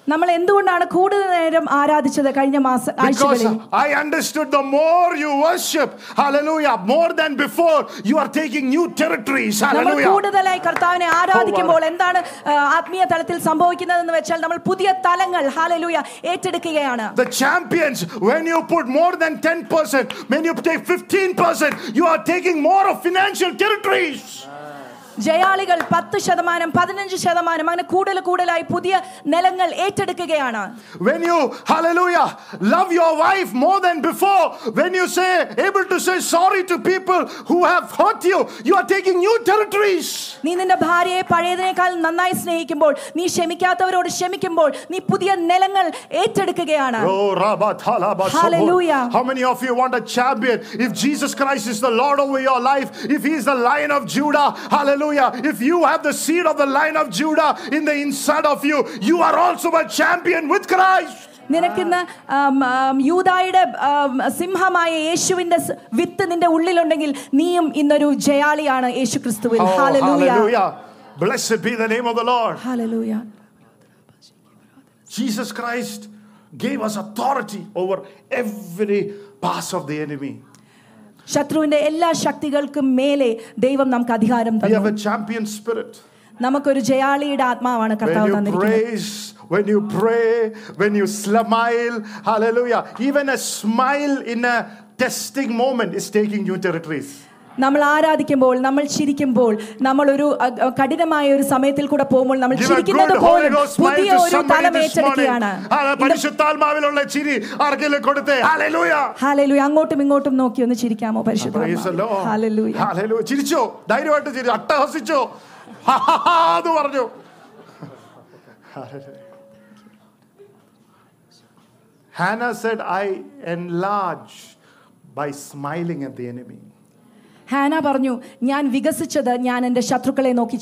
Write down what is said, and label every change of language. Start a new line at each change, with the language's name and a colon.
Malayalam: നമ്മൾ എന്തുകൊണ്ടാണ് കൂടുതൽ നേരം ആരാധിച്ചത് കഴിഞ്ഞ മാസം ആഴ്ചകളിൽ?
English: I understood the more you worship, hallelujah, more than before, you are taking new territories. Hallelujah.
Malayalam: നമ്മൾ കൂടുതലായി കർത്താവിനെ ആരാധിക്കുമ്പോൾ എന്താണ് ആത്മീയ തലത്തിൽ സംഭവിക്കുന്നതെന്ന് വെച്ചാൽ നമ്മൾ പുതിയ തലങ്ങൾ, hallelujah, ഏറ്റെടുക്കുകയാണ്.
English: The champions, when you put more than 10%, when you take 15%, you are taking more of financial territories.
Malayalam: ജയാളികൾ 10%, 15%, അങ്ങനെ കൂടുതൽ കൂടുതലായി പുതിയ നിലങ്ങൾ ഏറ്റെടുക്കുകയാണ്.
English: When you, hallelujah, love your wife more than before, when you say, able to say sorry to people who have hurt you, you are taking new territories.
Malayalam: നീ നിന്റെ ഭാര്യയെ പഴയതിനേക്കാൾ നന്നായി സ്നേഹിക്കുമ്പോൾ, നീ ക്ഷമിക്കാത്തവരോട് ക്ഷമിക്കുമ്പോൾ, നീ പുതിയ നിലങ്ങൾ ഏറ്റെടുക്കുകയാണ്.
English: Hallelujah. How many of you want a champion? If Jesus Christ is the Lord over your life, if he is the Lion of Judah, hallelujah, hallelujah, if you have the seed of the Lion of Judah in the inside of you, you are also a champion with Christ.
Malayalam: നിനക്കിന്ന് യൂദായുടെ സിംഹമായ യേശുവിന്റെ വിത്ത് നിന്റെ ഉള്ളിലുണ്ടെങ്കിൽ നീയും ഇന്നൊരു ജയാളിയാണ് യേശുക്രിസ്തുവിൽ.
English: Hallelujah. Blessed be the name of the Lord. Hallelujah. Jesus Christ gave us authority over every pass of the enemy.
Malayalam: ശത്രുവിന്റെ എല്ലാ ശക്തികൾക്കും മേലെ ദൈവം നമുക്ക് അധികാരം തന്നു.
English: We have a champion spirit.
Malayalam: നമുക്കൊരു ജയാളിയുടെ ആത്മാവാണ് കർത്താവ് തന്നിരിക്കുന്നത്.
English: When you pray, when you smile, hallelujah. Even a smile in a testing moment is taking new territories.
Malayalam: നമ്മൾ ആരാധിക്കുമ്പോൾ, നമ്മൾ ചിരിക്കുമ്പോൾ, നമ്മൾ ഒരു കഠിനമായ ഒരു സമയത്തിൽ കൂടെ പോകുമ്പോൾ നമ്മൾ ചിരിക്കുന്നത് പോലും പുതിയ ഒരു തലമേറ്റെടുക്കുകയാണ്. പരിശുദ്ധാത്മാവിലുള്ള ചിരി ആർക്കെങ്കിലും കൊടുത്തേ. ഹല്ലേലൂയാ. ഹല്ലേലൂയാ. അങ്ങോട്ടും ഇങ്ങോട്ടും നോക്കി ഒന്ന് ചിരിക്കാമോ പരിശുദ്ധാത്മാവേ. ചിരിച്ചോ, ധൈര്യമായിട്ട് ചിരി, അട്ടഹസിച്ചോ എന്ന് പറഞ്ഞു.
English: Hannah said, I enlarge by smiling at the enemy.
Malayalam: ഹാന പറഞ്ഞു, ഞാൻ വികസിച്ചത് ഞാൻ എന്റെ ശത്രുക്കളെ നോക്കി